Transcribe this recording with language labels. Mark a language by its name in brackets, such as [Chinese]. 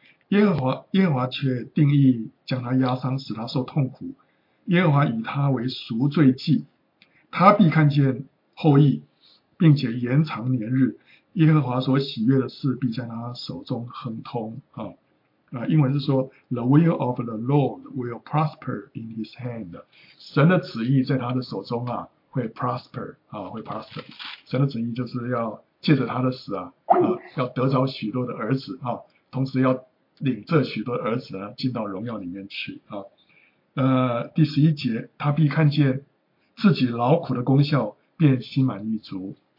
[Chinese] 耶和华却定义将他压伤，使他受痛苦。耶和华以他为赎罪祭，他必看见后裔，并且延长年日。耶和华所喜悦的事必在他手中亨通。英文是说 [English] The will of the Lord will prosper in his hand. [Chinese] 神的旨意在他的手中啊，会 prosper 啊，会 prosper。神的旨意就是要借着他的死要得着许多的儿子啊，同时要领这许多儿子呢进到荣耀里面去啊。第十一节，他必看见自己劳苦的功效，便心满意足。